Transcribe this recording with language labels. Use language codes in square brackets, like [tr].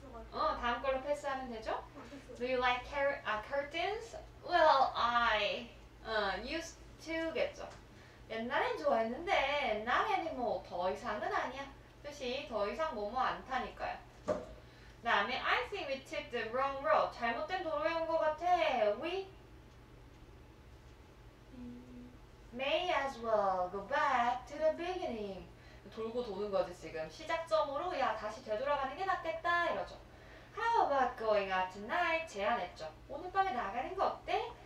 [ko] 다음 걸로 패스하면 되죠? [en] Do you like curtains? Well, I used to겠죠. [ko] 옛날엔 좋아했는데 옛날에는 뭐 더 이상은 아니야. 뜻이 더 이상 뭐뭐 안 타니까요. 다음에 [en] I think we took the wrong road. [ko] 잘못된 도로에 온 것 같아. [en] We may as well go back to the beginning. [ko] 돌고 도는 거지 지금. 시작점으로 야 다시 되돌아가는 게 낫겠다 이러죠. [en] How about going out tonight? [ko] 제안했죠. 오늘 밤에 나가는 거 어때?